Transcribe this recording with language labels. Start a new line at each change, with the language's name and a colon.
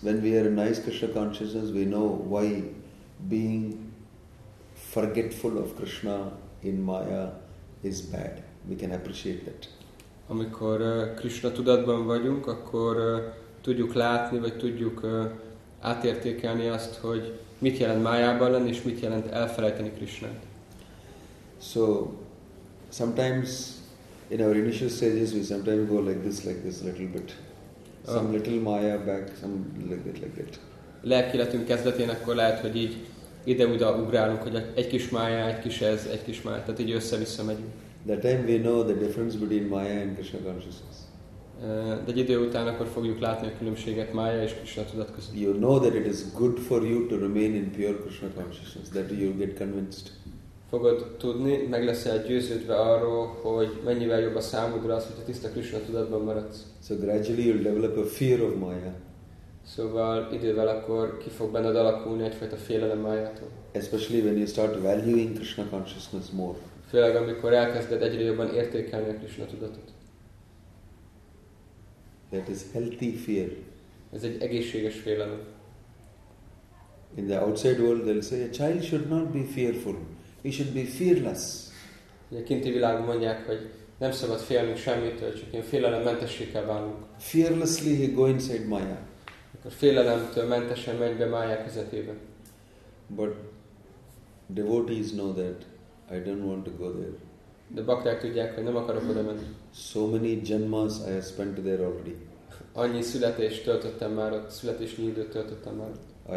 English: When we are in nice Krishna consciousness, we know why being forgetful of Krishna in Maya is bad. We can appreciate that.
Hungarian: Amikor Krishna tudatban vagyunk, akkor tudjuk látni, vagy tudjuk átértékelni azt, hogy mit jelent Mayában lenni, és mit jelent elfelejteni Krishnát.
English: So, sometimes in our initial stages, we sometimes go like this, little bit. Some little Maya back, some like that, like that.
Hungarian: Lelkéletünk kezdetén akkor lehet, hogy így ide-uda ugrálunk, hogy egy kis Maya, egy kis ez, egy kis Maya, tehát így össze-vissza megyünk.
English: That time we know the difference between Maya and Krishna consciousness.
Hungarian: De egy idő után akkor fogjuk látni a különbséget Maya és Krishna tudat között.
English: You know that it is good for you to remain in pure Krishna consciousness, that you get convinced.
Hungarian: Fogod tudni, meg leszel győződve arról, hogy mennyivel jobb a számodra az, hogyha tiszta Krishna tudatban maradsz.
English: So gradually you'll develop a fear of Maya.
Hungarian: Szóval idővel akkor ki fog benned alakulni egyfajta félelem Mayától.
English: Especially when you start valuing Krishna consciousness more.
Hungarian: Főleg amikor elkezded egyre jobban értékelni a Krishna tudatot.
English: That is healthy fear.
Hungarian: Ez egy egészséges félelem.
English: In the outside world they'll say a child should not be fearful. He should be fearless.
Hungarian: A kinti világban mondják, hogy nem szabad félnünk semmitől, csak ilyen félelemmentesség kell válnunk.
English: Fearlessly he go inside Maya.
Hungarian: Akkor félelemtől mentesen megy be Maya közepébe.
English: But devotees know that I don't want to go there.
Hungarian: De bakták tudják, hogy nem akarok oda menni.
English: So many janmas I have spent there already.
Hungarian: Annyi születést töltöttem már ott, születésnyi időt töltöttem már ott.